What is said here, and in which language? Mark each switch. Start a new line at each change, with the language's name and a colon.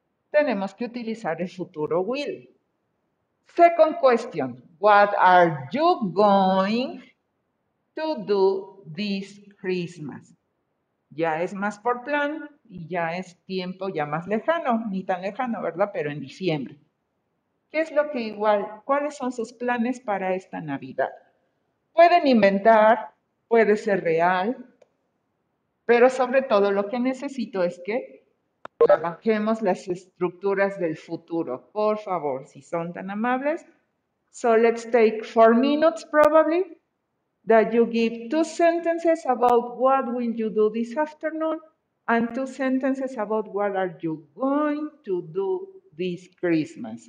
Spanish: Tenemos que utilizar el futuro will.
English: Second question, what are you going to do this Christmas?
Spanish: Ya es más por plan y ya es tiempo ya más lejano, ni tan lejano, ¿verdad? Pero en diciembre. ¿Qué es lo que igual? ¿Cuáles son sus planes para esta Navidad? Pueden inventar, puede ser real, pero sobre todo lo que necesito es que trabajemos las estructuras del futuro. Por favor, si son tan amables.
English: So let's take 4 minutes probably. That you give 2 sentences about what will you do this afternoon and 2 sentences about what are you going to do this Christmas.